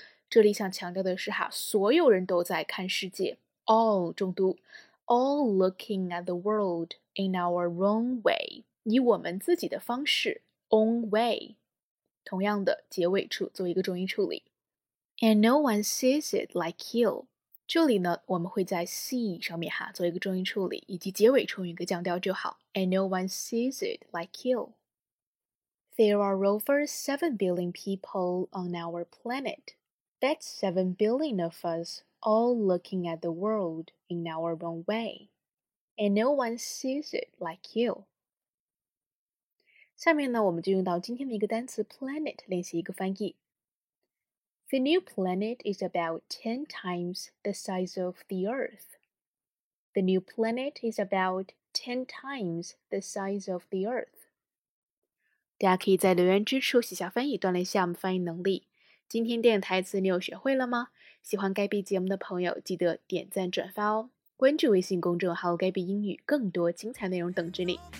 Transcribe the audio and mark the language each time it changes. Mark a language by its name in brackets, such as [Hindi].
[Chinese] 这里想强调的是哈，所有人都在看世界。 [English] All [Chinese] 重读 [English] All looking at the world in our own way. [Chinese] 以我们自己的方式 Own way. 同样的结尾处做一个重音处理。 [English] And no one sees it like you. [Chinese] 这里呢，我们会在 see 上面哈做一个重音处理，以及结尾处用一个降调就好。 [English] And no one sees it like you. There are over 7 billion people on our planet. That's 7 billion of us all looking at the world in our own way. And no one sees it like you. [Chinese] 下面呢，我们就用到今天的一个单词 planet 练习一个翻译。 [English] The new planet is about 10 times the size of the Earth. The new planet is about 10 times the size of the Earth. [Chinese] 大家可以在留言区写下翻译，锻炼一下我们翻译能力。今天电影台词你有学会了吗？喜欢盖比节目的朋友记得点赞转发哦。关注微信公众号盖比英语，更多精彩内容等着你。